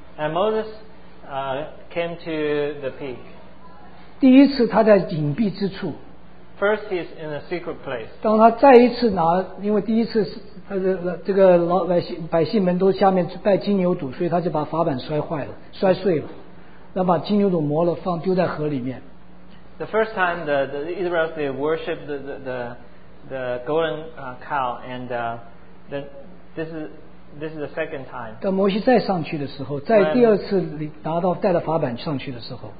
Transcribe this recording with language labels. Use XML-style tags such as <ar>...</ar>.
<en>And Moses came to the peak.</en> <zh>第一次他在隐蔽之处。</zh> <en>First he's in a secret place.</en> <zh>当他再一次拿，因为第一次他的这个老百姓们都下面拜金牛犊，所以他就把法板摔坏了，摔碎了，然后把金牛犊磨了，放丢在河里面。</zh> <en>The first time the Israelites they worshipped the golden cow and this is the second time.</en> <zh>当摩西再上去的时候，在第二次拿到带了法板上去的时候</zh>